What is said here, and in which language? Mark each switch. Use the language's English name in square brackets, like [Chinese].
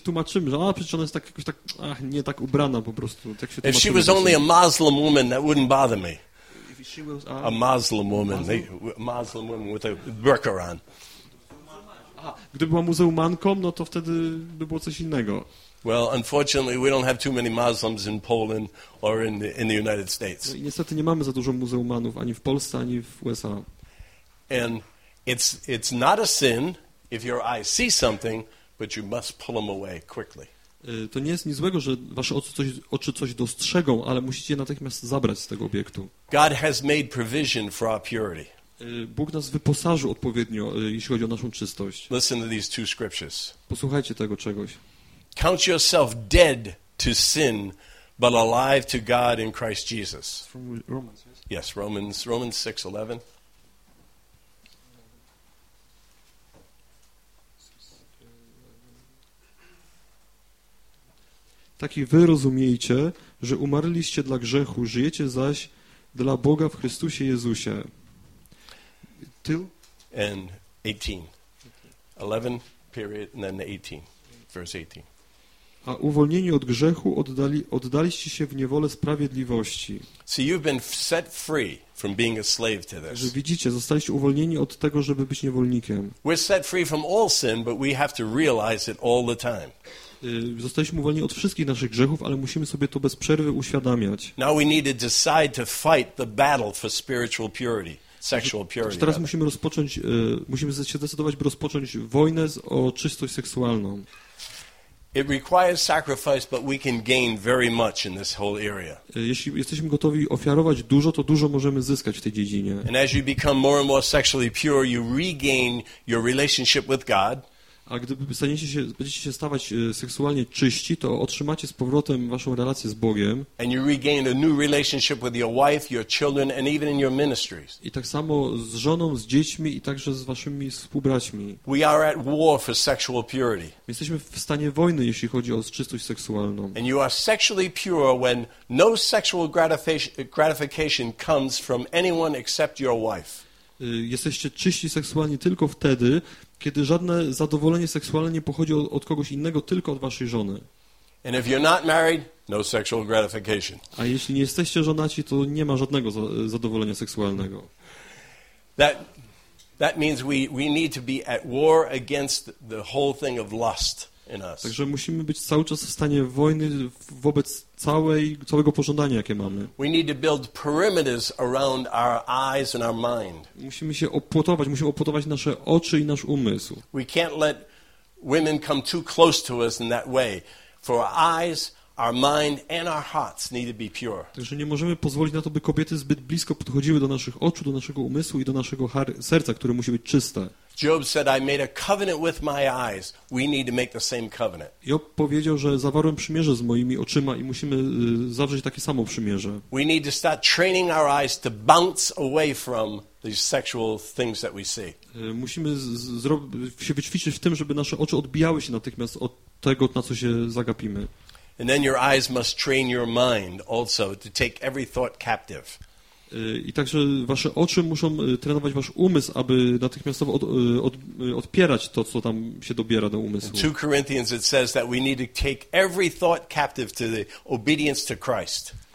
[Polish] tłumaczymy, że przecież ona jest tak jakoś tak, nie tak ubrana po prostu. Tak się [English] if she was only a Muslim woman, that wouldn't bother me. A Muslim woman, Muslim woman with a burqa on. [Polish] Gdyby była muzułmanką, no to wtedy by było coś innego. [English] Well, unfortunately, we don't have too many Muslims in Poland or in the United States. [Polish] No, niestety nie mamy za dużo muzułmanów ani w Polsce, ani w USA. [English] And it's not a sin if your eyes see something, but you must pull them away quickly. [Polish] To nie jest nic złego, że wasze oczy coś dostrzegą, ale musicie je natychmiast zabrać z tego obiektu. [English] God has made provision for our purity. [Polish] Bóg nas wyposażył odpowiednio, jeśli chodzi o naszą czystość. [English] Listen to these 2 scriptures. [Polish] Posłuchajcie tego czegoś. [English] Count yourself dead to sin, but alive to God in Christ Jesus. From Romans, yes? Yes, Romans 6:11. [Polish] Tak i wy rozumiecie, że umarliście dla grzechu, żyjecie zaś dla Boga w Chrystusie Jezusie. [English] Till? And 18. 11, period, and then 18, verse 18. [Polish] A uwolnieni od grzechu oddaliście się w niewolę sprawiedliwości. [English] So you've been set free from being a slave to this. [Polish] Że widzicie, zostaliście uwolnieni od tego, żeby być niewolnikiem. [English] We're set free from all sin, but we have to realize it all the time. [Polish] Zostaliśmy uwolnieni od wszystkich naszych grzechów, ale musimy sobie to bez przerwy uświadamiać. [English] Now we need to decide to fight the battle for spiritual purity. [Polish] Teraz musimy rozpocząć, musimy się zdecydować, by rozpocząć wojnę o czystość seksualną. [English] It requires sacrifice, but we can gain very much in this whole area. [Polish] Jeśli jesteśmy gotowi ofiarować dużo, to dużo możemy zyskać w tej dziedzinie. [English] And as you become more and more sexually pure, you regain your relationship with God. [Polish] A gdy będziecie się stawać seksualnie czyści, to otrzymacie z powrotem waszą relację z Bogiem. [English] And you regain a new relationship with your wife, your children, and even in your ministries. [Polish] I tak samo z żoną, z dziećmi i także z waszymi współbraćmi. [English] We are at war for sexual purity. [Polish] Jesteśmy w stanie wojny, jeśli chodzi o czystość seksualną. [English] And you are sexually pure when no sexual gratification comes from anyone except your wife. [Polish] Jesteście czyści seksualnie tylko wtedy, kiedy żadne zadowolenie seksualne nie pochodzi od kogoś innego, tylko od waszej żony. [English] And if you're not married, no sexual gratification. [Polish] A jeśli nie jesteście żonaci, to nie ma żadnego zadowolenia seksualnego. [English] That means we need to be at war against the whole thing of lust in us. [Polish] Także musimy być cały czas w stanie wojny wobec całego pożądania, jakie mamy. [English] We need to build perimeters around our eyes and our mind. [Polish] Musimy opłotować nasze oczy i nasz umysł. [English] We can't let women come too close to us in that way. For our eyes, our mind and our hearts need to be pure. [Polish] Także nie możemy pozwolić na to, by kobiety zbyt blisko podchodziły do naszych oczu, do naszego umysłu i do naszego serca, które musi być czyste. [English] Job said, I made a covenant with my eyes. We need to make the same covenant. [Polish] Job powiedział, że zawarłem przymierze z moimi oczyma i musimy zawrzeć takie samo przymierze. [English] We need to start training our eyes to bounce away from these sexual things that we see. [Polish] Musimy się wyćwiczyć w tym, żeby nasze oczy odbijały się natychmiast od tego, na co się zagapimy. [English] And then your eyes must train your mind also to take every thought captive. [Polish] I także wasze oczy muszą trenować wasz umysł, aby natychmiastowo odpierać to, co tam się dobiera do umysłu. [English] In 2 Corinthians it says that we need to take every thought captive to the obedience to Christ.